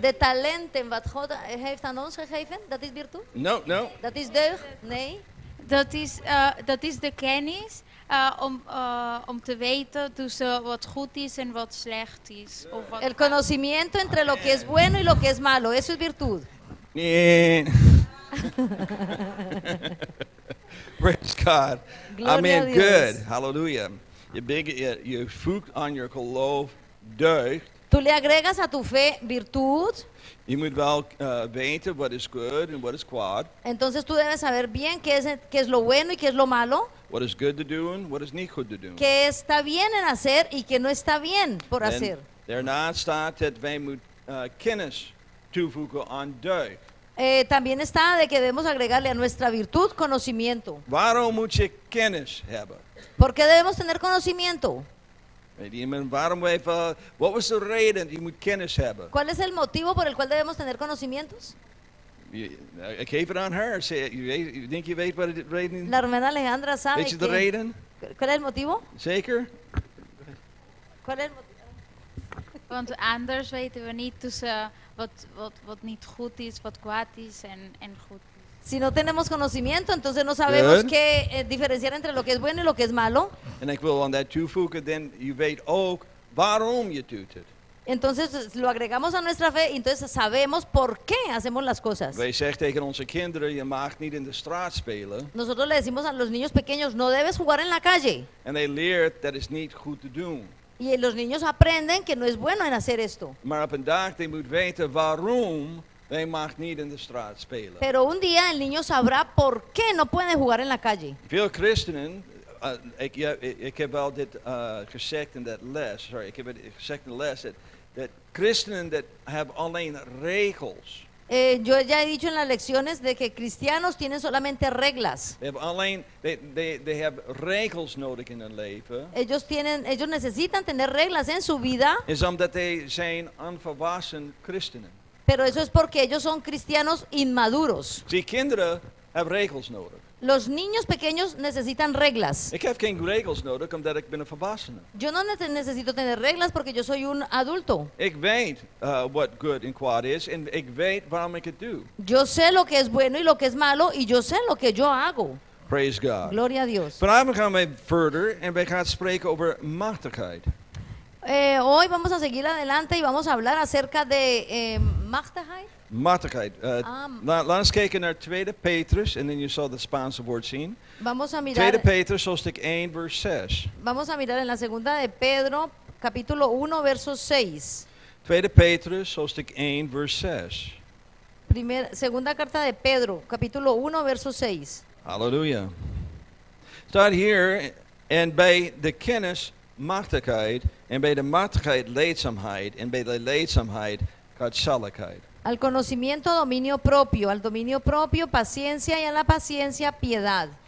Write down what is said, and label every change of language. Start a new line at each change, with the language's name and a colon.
Dutch: De talenten wat God heeft aan ons gegeven, dat is virtu?
Spanish: No.
Dutch: Dat is deugd? Nee. Dat is de kennis om te weten tussen wat goed is en wat slecht is. Of wat
Spanish: el conocimiento entre lo que es bueno y lo que es malo, eso es virtud.
Dutch: Nee.
English: Praise God.
Spanish: Gloria
English: amen, good. Hallelujah. You
Dutch: voegt aan je geloof deugd.
Spanish: Tú le agregas a tu fe virtud.
Dutch: Je moet wel weten wat is good en wat is kwaad.
Spanish: Entonces tú debes saber bien qué es lo bueno y qué es lo malo.
English: What is good to do and what is not good to do.
Spanish: Qué está bien en hacer y qué no está bien por
English: Then
Spanish: hacer.
Dutch: Daarna staat dat wij moeten kennis toevoegen aan deugd.
Spanish: También está de que debemos agregarle a nuestra virtud conocimiento.
Dutch: Waarom moet je kennis hebben?
Spanish: ¿Por qué debemos tener conocimiento?
Dutch: Waarom even? Wat was de reden? Je moet kennis hebben.
Spanish: ¿Cuál es el motivo por el cual debemos tener conocimientos?
Dutch: Ik geef het aan haar. Denk je weet wat de reden is?
Spanish: La hermana Alejandra sabe.
Dutch: Weet je de reden?
Spanish: ¿Cuál es el motivo?
Dutch: Zeker.
Spanish: ¿Cuál es el motivo?
Dutch: Want anders weten we niet tussen wat niet goed is, wat kwaad is en goed.
Spanish: Si no tenemos conocimiento, entonces no sabemos qué diferenciar entre lo que es bueno y lo que es malo.
English: And I will on that
Dutch: toevoegen,
English: then you
Dutch: weet ook waarom je doet het.
Spanish: Entonces lo agregamos a nuestra fe, entonces sabemos por qué hacemos las cosas.
Dutch: Wij zeggen tegen onze kinderen, je mag niet in de straat spelen.
Spanish: Nosotros le decimos a los niños pequeños, no debes jugar en la calle.
English: And they learn that it's not good to do.
Spanish: Y los niños aprenden que no es bueno en hacer esto.
Dutch: Maar op een dag,
English: they
Dutch: moet weten waarom Hij mag niet in de straat spelen.
Spanish: Pero un día el niño sabrá por qué no puede jugar en la calle.
Dutch: Veel christenen, ik heb al dit gezegd in dat les, sorry, ik heb het gezegd in de les, dat christenen dat hebben alleen regels.
Spanish: Yo ya he dicho en las lecciones de que cristianos tienen solamente reglas.
English: They have
Dutch: regels nodig in hun leven.
Spanish: Ellos necesitan tener reglas en su vida.
Dutch: Is omdat
English: they
Dutch: zijn onvolwassen christenen.
Spanish: Pero eso es porque ellos son cristianos inmaduros.
Dutch: Die kinderen hebben regels nodig.
Spanish: Los niños pequeños necesitan reglas.
Dutch: Ik heb geen regels nodig omdat ik ben een volwassene.
Spanish: Yo no necesito tener reglas porque yo soy un adulto.
Dutch: Ik weet
English: what good and bad is and
Dutch: ik weet waarom ik het doe.
Spanish: Yo sé lo que es bueno y lo que es malo y yo sé lo que yo hago.
English: Praise God.
Spanish: Gloria a Dios.
Dutch: Vanavond gaan we verder en we gaan spreken over machtigheid.
Spanish: Hoy vamos a seguir adelante y vamos a hablar acerca de machtigheid.
Dutch: Machtigheid. Laat eens kijken naar 2 Petrus en dan je zal het Spaanse woord zien.
Spanish: Vamos a mirar,
Dutch: 2 Petrus hoofdstuk 1 vers 6.
Spanish: Vamos a mirar en la segunda de Pedro capítulo 1 verso 6.
Dutch: 2 Petrus hoofdstuk 1 vers 6.
Spanish: Segunda carta de Pedro capítulo 1 verso 6.
Dutch: Halleluja. Staat hier en bij de kennis machtigheid en bij de machtigheid leedzaamheid en bij de leedzaamheid godzaligheid.
Spanish: Al conocimiento dominio propio, al dominio propio paciencia y a la paciencia piedad.